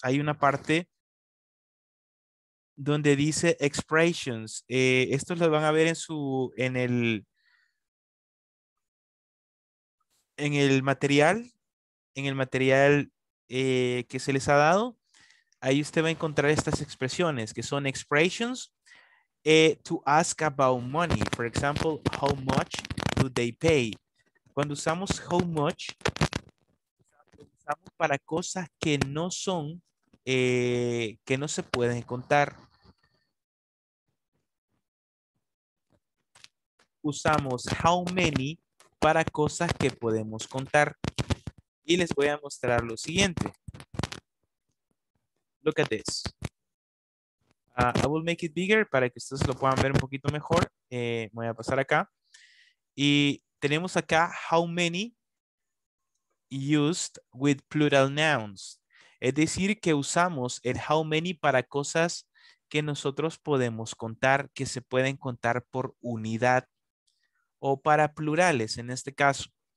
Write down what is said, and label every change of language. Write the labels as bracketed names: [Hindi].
[Spanish] Hay una parte donde dice expressions. Estos los van a ver en el material que se les ha dado. Ahí usted va a encontrar estas expresiones, que son expressions. [English] To ask about money, for example, how much do they pay? [Spanish] Cuando usamos how much, usamos para cosas que no son, que no se pueden contar. Usamos how many para cosas que podemos contar. Y les voy a mostrar lo siguiente. [English] Look at this. I will make it bigger [Spanish] para que ustedes lo puedan ver un poquito mejor. Voy a pasar acá. Y tenemos acá [English] how many used with plural nouns. [Spanish] Es decir, que usamos el how many para cosas que nosotros podemos contar, que se pueden contar por unidad o para plurales en este caso.